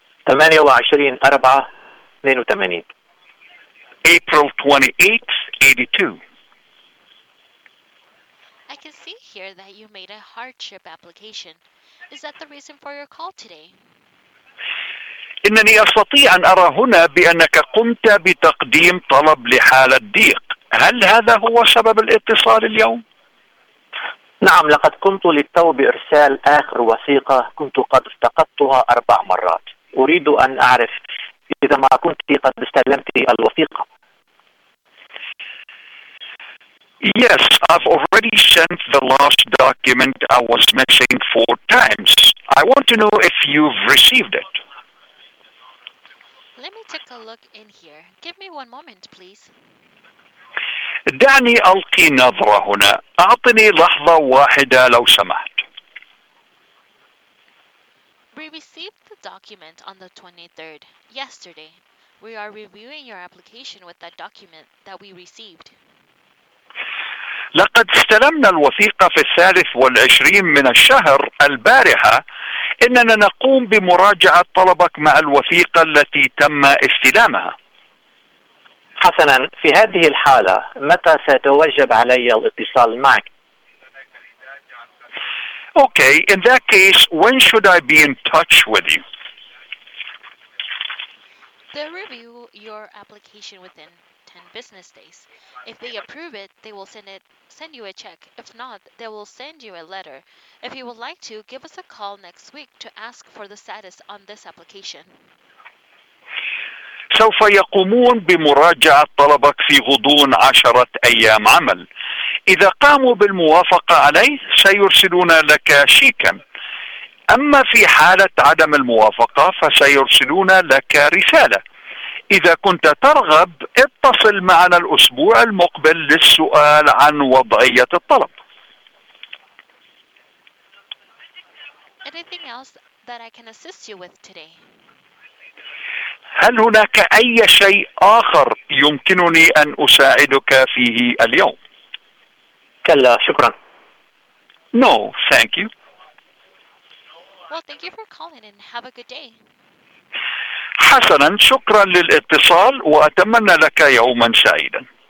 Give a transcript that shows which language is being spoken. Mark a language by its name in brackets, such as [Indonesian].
[English] 28/4/82. April 28, 1982. I can see here that you made a hardship application. Is that the reason for your call today? [Arabic] إنني أستطيع أن أرى هنا بأنك قمت بتقديم طلب لحالة ضيق. هل هذا هو سبب الاتصال اليوم؟ نعم، لقد قمت للتو بإرسال آخر وثيقة كنت قد افتقدتها 4 مرات. أريد أن أعرف إذا ما كنت قد استلمت الوثيقة. [English] Yes, I've already sent the last document I was missing 4 times. I want to know if you've received it. Let me take a look in here. Give me 1 moment, please. [Arabic] دعني ألقي نظرة هنا. أعطني لحظة واحدة لو سمحت. [English] We received the document on the 23rd, yesterday. We are reviewing your application with that document that we received. [Arabic] لقد استلمنا الوثيقة في 23 من الشهر البارحة. إننا نقوم بمراجعة طلبك مع الوثيقة التي تم استلامها. حسناً، في هذه الحالة متى ستوجب علي الاتصال معك؟ [English] Okay, in that case, when should I be in touch with you? They'll review your application within 10 business days. If they approve it, they will send you a check. If not, they will send you a letter. If you would like to, give us a call next week to ask for the status on this application. [Arabic] سوف يقومون بمراجعة طلبك في غضون 10 أيام عمل. إذا قاموا بالموافقة عليه، سيرسلون لك شيكاً. أما في حالة عدم الموافقة، فسيرسلون لك رسالة. إذا كنت ترغب، اتصل معنا الأسبوع المقبل للسؤال عن وضعية الطلب. [English] Anything else that I can assist you with today? [Arabic] هل هناك أي شيء آخر يمكنني أن أساعدك فيه اليوم؟ كلا، شكرا. [English] No, thank you. Well, thank you for calling and have a good day. [Arabic] حسنا، شكرا للاتصال وأتمنى لك يوما سعيدا.